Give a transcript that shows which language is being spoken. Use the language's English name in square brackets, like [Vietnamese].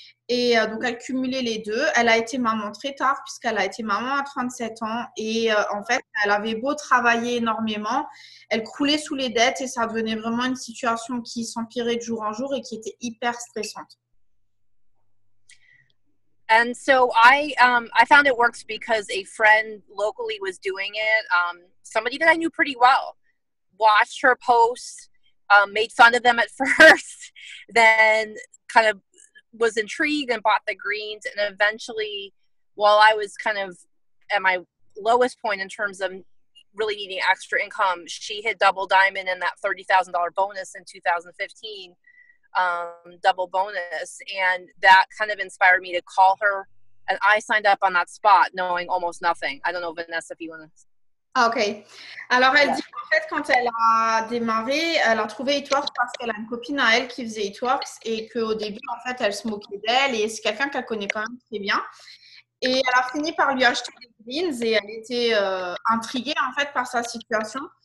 [French] Et donc elle cumulait les deux, elle a été maman très tard puisqu'elle a été maman à 37 ans et en fait elle avait beau travailler énormément, elle croulait sous les dettes et ça devenait vraiment une situation qui s'empirait de jour en jour et qui était hyper stressante. [English] And so I found it works because a friend locally was doing it, somebody that I knew pretty well, watched her posts, made fun of them at first, then kind of was intrigued and bought the greens. And eventually, while I was kind of at my lowest point in terms of really needing extra income, she hit double diamond in that $30,000 bonus in 2015, double bonus. And that kind of inspired me to call her. And I signed up on that spot knowing almost nothing. I don't know, Vanessa, if you want to. Ok. [French] Alors, elle dit qu'en fait, quand elle a démarré, elle a trouvé It Works parce qu'elle a une copine à elle qui faisait It Works et qu'au début, en fait, elle se moquait d'elle et c'est quelqu'un qu'elle connaît quand même très bien. Et elle a fini par lui acheter des greens et elle était intriguée, en fait, par sa situation.